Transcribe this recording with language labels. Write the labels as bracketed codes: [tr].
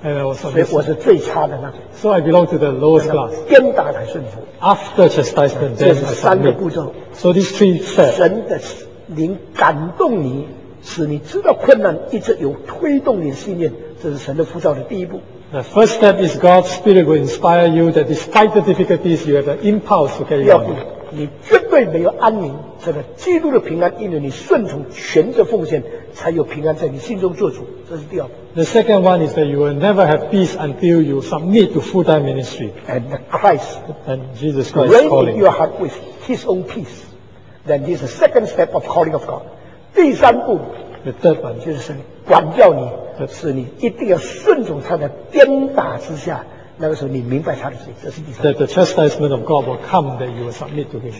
[en] And I was submit. [zh] 所以我是最差的那种。 [en] So I belong to the lowest class. [zh] 鞭打才顺服。 [en] After chastisement, then I submit. [zh] 这是三个步骤。 [en] So these three steps. [zh] 神的灵感动你，使你知道困难，一直有推动你的信念，这是神的呼召的第一步。 [en] The first step is God's Spirit will inspire you that despite the difficulties, you have an impulse to carry on. [zh] 你绝对没有安宁，这个基督的平安，因为你顺从、全责奉献，才有平安在你心中做主。这是第二步。 [en] The second one is that you will never have peace until you submit to full-time ministry. And the Christ, and Jesus Christ's calling. Reign in your heart with His own peace. Then this is the second step of calling of God. [zh] 第三步。 [en] The third one. [zh] 就是神管教你，使你一定要顺从他的鞭打之下。那个时候你明白他的罪，这是第三。 [en] That the chastisement of God will come that you will submit to Him.